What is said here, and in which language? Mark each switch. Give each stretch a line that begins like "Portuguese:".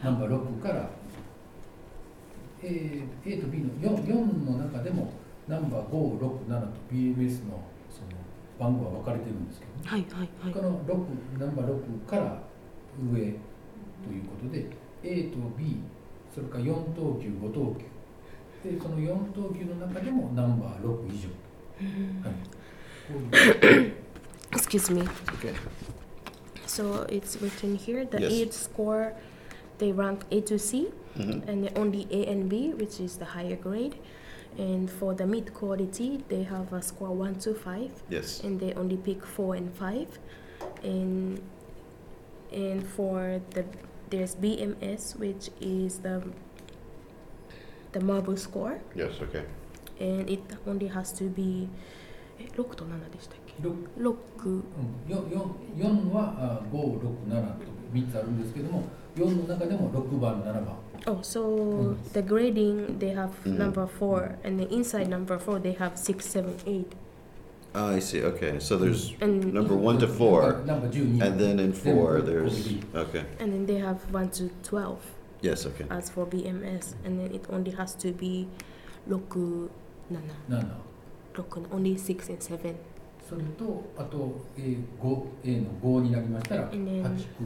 Japanese: ナンバー6から、A と B の 4の中でもナンバー5、6、7と BMS の, その番号は分かれてるんですけど、はいはいはい、他の6、ナンバー6から上ということで、うん、A と B、それから4等級、5等級で、その4等級の中でもナンバー6以上、うん、はい、こういう
English: Excuse me. Okay. So it's written here the yield score, they rank A to C. Mm-hmm. And only A and B, which is the higher grade. And for the meat quality, they have a score 1 to 5. Yes. And they only pick 4 and 5. And for the, there's BMS, which is the marble score. Yes, okay. And it only has to be 6 to 7, didn't it?
Japanese: 4は5、6、7と3つあるんですけども、4の中でも6番、7番。
English: Oh, so the grading, they have number 4, and the inside number 4, they have 6, 7, 8. Oh, I see. Okay, so there's number 1 to 4, and then in 4, there's... Okay. And then they have 1 to 12. Yes, okay. As for BMS, and then it only has to be 6, 7. No, no. Only 6 and 7.
Japanese: それとあと A の5になりましたら8、9、10、11、12まで。